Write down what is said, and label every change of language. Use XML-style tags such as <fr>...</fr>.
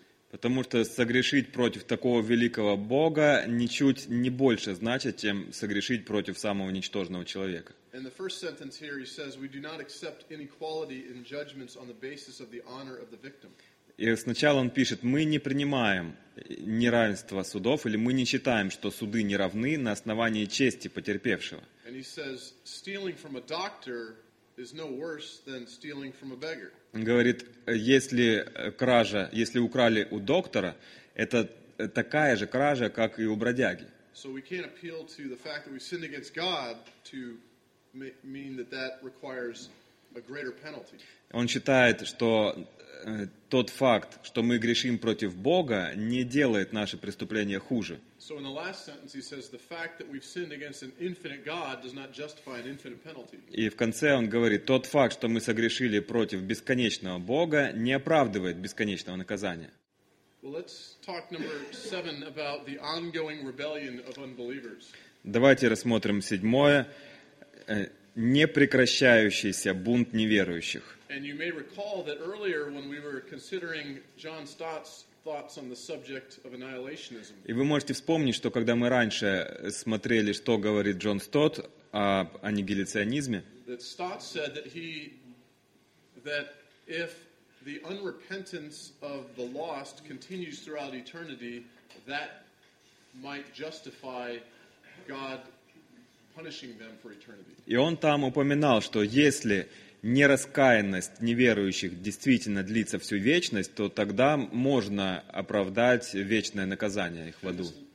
<ru>Потому что согрешить против такого великого Бога ничуть не больше значит, чем согрешить против самого ничтожного человека.</ru> <en>In the first sentence here he says we do not accept inequality in judgments on the basis of the honor of the victim.</en> <ru>И сначала он пишет, мы не принимаем неравенство судов, или мы не считаем, что суды не равны на основании чести потерпевшего.</ru> <en>And he says stealing from a doctor is no worse than stealing from a beggar.</en> <ru>Говорит, если кража, если украли у доктора, это такая же кража, как и у бродяги.</ru> <en>So we can't appeal to the fact that we sinned against God to mean that that requires a greater penalty.</en> <ru>Он считает, что тот факт, что мы грешим против Бога, не делает наше преступление хуже.</ru> <en>So in the last sentence he says the fact that we've sinned against an infinite God does not justify an infinite penalty.</en> <ru>И в конце он говорит, тот факт, что мы согрешили против бесконечного Бога, не оправдывает бесконечного наказания.</ru> <en>Well, let's talk number 7 about the ongoing rebellion of unbelievers.</en> <ru>Давайте рассмотрим седьмое, непрекращающийся бунт неверующих.</ru> <en>And you may recall that earlier when we were considering John Stott's thoughts on the subject of annihilationism.</en> <ru>И вы можете вспомнить, что когда мы раньше смотрели, что говорит Джон Стотт об аннигиляционизме,</ru> <en>that Stott said that if the unrepentance of the lost continues throughout eternity, that might justify God punishing them for eternity.</en> <ru>И он там упоминал, что если нераскаянность неверующих действительно длится всю вечность, то тогда можно оправдать вечное наказание их в аду.</ru>